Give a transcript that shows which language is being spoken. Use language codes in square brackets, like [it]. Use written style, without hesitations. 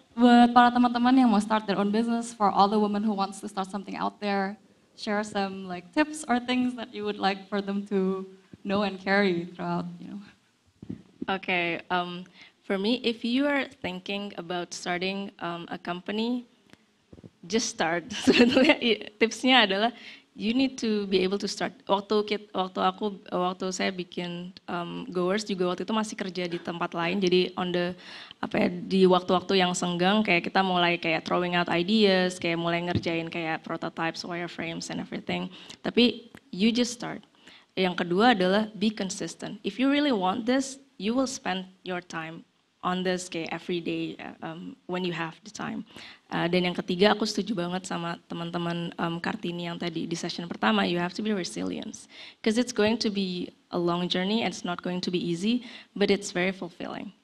[id] Buat para teman-teman yang mau [en] start their own business, for all the women who wants to start something out there, share some like tips or things that you would like for them to know and carry throughout, you know. Okay. For me, if you are thinking about starting a company, just start. [id] Sebenarnya tipsnya adalah [en] you need to be able to start. [id] Waktu saya bikin Goers juga waktu itu masih kerja di tempat lain. Jadi di waktu-waktu yang senggang kayak kita mulai kayak [en] throwing out ideas, [id] kayak mulai ngerjain kayak [en] prototypes, wireframes and everything. Tapi you just start. [id] Yang kedua adalah [en] be consistent. If you really want this, you will spend your time on this every day when you have the time. [id] Dan yang ketiga, aku setuju banget sama teman-teman Kartini yang tadi di session pertama, [en] you have to be resilient. Because it's going to be a long journey and it's not going to be easy, but it's very fulfilling.